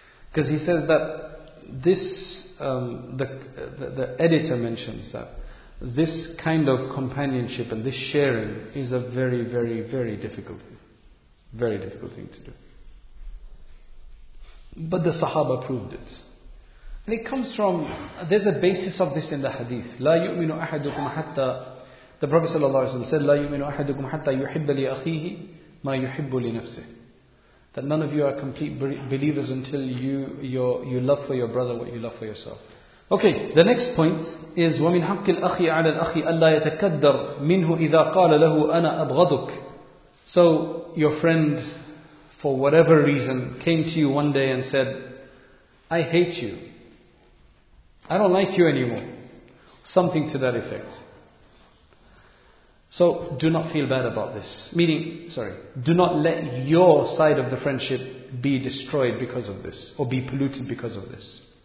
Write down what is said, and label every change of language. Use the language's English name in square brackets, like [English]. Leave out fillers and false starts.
[English] Because he says that this, the editor mentions that this kind of companionship and this sharing is a very, very, very difficult thing. Very difficult thing to do. But the Sahaba proved it. And it comes from, there's a basis of this in the hadith. [Arabic] لا يؤمن أحدكم حتى, [English] the Prophet [Arabic] صلى الله عليه وسلم [English] said, [Arabic] لا يؤمن أحدكم حتى يحب لأخيه ما يحب لنفسه. [English] That none of you are complete believers until you love for your brother what you love for yourself. Okay, the next point is [Arabic] وَمِنْ حَقِّ الْأَخِي عَلَى الْأَخِي أَلَّا يَتَكَدَّرْ مِنْهُ إِذَا قَالَ لَهُ أَنَا أَبْغَضُكْ. [English] So your friend, for whatever reason, came to you one day and said, I hate you. I don't like you anymore. Something to that effect. So do not feel bad about this. Do not let your side of the friendship be destroyed because of this, or be polluted because of this.